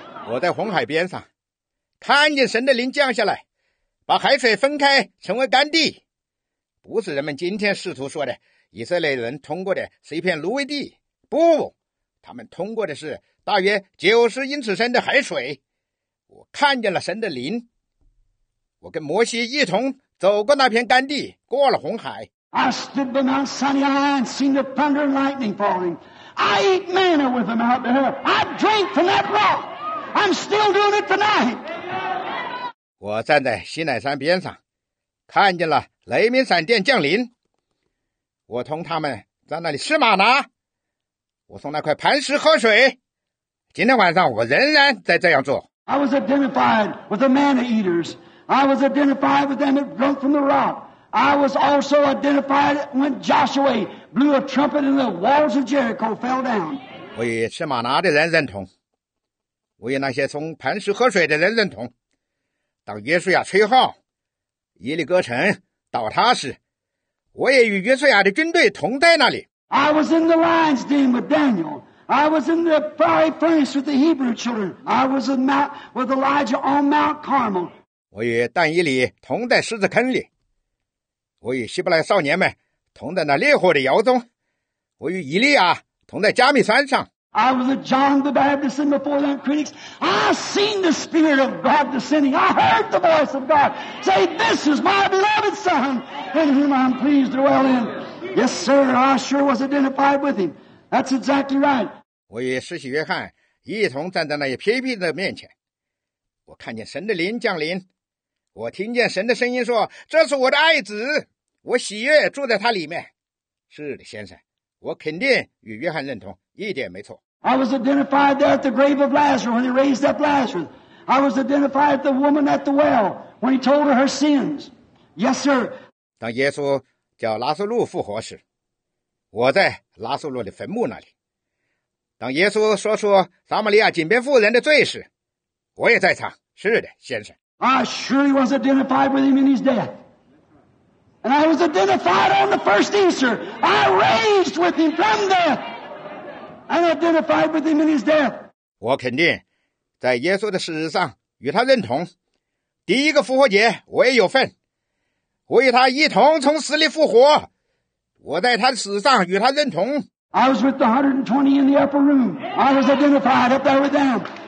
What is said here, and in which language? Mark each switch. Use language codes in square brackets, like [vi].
[zh] 我在红海边上看见神的灵降下来，把海水分开成为干地，不是人们今天试图说的以色列人通过的是一片芦苇地，不，他们通过的是大约90英尺深的海水。我看见了神的灵，我跟摩西一同走过那片干地，过了红海。 [en] I stood by Mount Sinai and seen the thunder and lightning falling. I ate manna with them out there. I drank from that rock. I'm still doing it tonight. [zh] 我站在西乃山边上，看见了雷鸣闪电降临，我同他们在那里吃玛拿，我从那块磐石喝水，今天晚上我仍然在这样做。 [en] I was identified with the manna eaters. I was identified with them that drunk from the rock. I was also identified when Joshua blew a trumpet and the walls of Jericho fell down. [zh] 我与吃玛拿的人认同，我与那些从磐石喝水的人认同。当约书亚吹号，耶利哥城倒塌时，我也与约书亚的军队同在那里。 [en] I was in the lion's den with Daniel. I was in the fiery furnace with the Hebrew children. I was with Elijah on Mount Carmel. [zh] 我与但以理同在狮子坑里，我与希伯来少年们同在那烈火的窑中，我与以利亚同在加密山上。 [en] I was with John the Baptist and before them critics. I seen the Spirit of God descending. I heard the voice of God say, "This is my beloved Son, in whom I'm pleased to dwell in." Yes, sir. I sure was identified with him. That's exactly right. [zh] 我与施洗约翰一同站在那些批评的面前，我看见神的灵降临，我听见神的声音说：“这是我的爱子，我喜悦住在他里面。” 是的，先生，我肯定与约翰认同。一点没错。 [en] I was identified there at the grave of Lazarus when he raised up Lazarus. I was identified with the woman at the well when he told her her sins. Yes, sir. [zh] 当耶稣叫拉撒路复活时，我在拉撒路的坟墓那里。当耶稣说出撒玛利亚井边妇人的罪时，我也在场。是的，先生。 [en] I surely was identified with him in his death. And I was identified on the first Easter. I raised with him from death. And identified with him in his death. [zh] 我肯定在耶稣的死上与他认同，第一个复活节我也有份，我与他一同从死里复活，我在他的死上与他认同。 [en] I was with the 120 in the upper room. I was identified up there with them.